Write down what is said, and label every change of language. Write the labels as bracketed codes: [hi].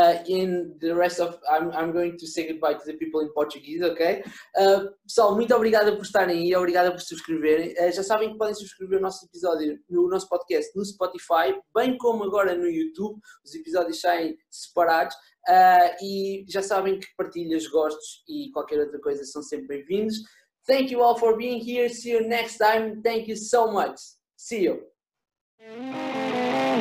[en] In the rest of, I'm going to say goodbye to the people in Portuguese, ok? [pt] Pessoal, muito obrigado por estarem aí, obrigado por subscreverem. Já sabem que podem subscrever o nosso episódio, o nosso podcast no Spotify, bem como agora no YouTube, os episódios saem separados. E já sabem que partilhas, gostos e qualquer outra coisa são sempre bem-vindos. [en] Thank you all for being here. See you next time. Thank you so much. See you.